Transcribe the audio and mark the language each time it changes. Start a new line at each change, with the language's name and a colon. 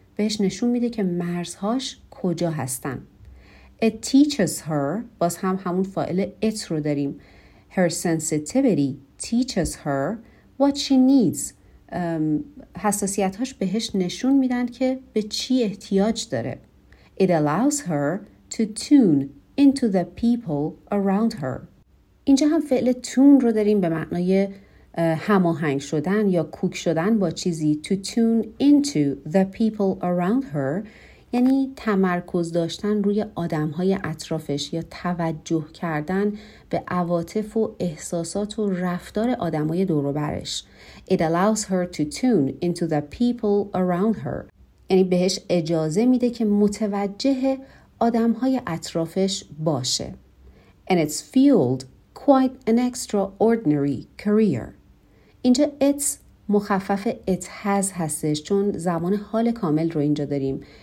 Persian: بهش نشون میده که مرزهاش کجا هستن.
English: It teaches her،
Persian: باز هم همون فاعل it رو داریم.
English: Her sensitivity teaches her what she needs.
Persian: حساسیت‌هاش بهش نشون میدن که به چی احتیاج داره.
English: It allows her to tune into the people around her.
Persian: اینجا هم فعل tune رو داریم به معنای هماهنگ شدن یا کوک شدن با چیزی.
English: To tune into the people around her
Persian: یعنی تمرکز داشتن روی آدم‌های اطرافش یا توجه کردن به عواطف و احساسات و رفتار آدم‌های دور و برش.
English: It allows her to tune into the people around her.
Persian: یعنی بهش اجازه میده که متوجه آدم‌های اطرافش باشه.
English: And it's fueled quite an extraordinary career.
Persian: اینجا it's مخفف
English: it has
Persian: هستش، چون زمان حال کامل رو اینجا داریم.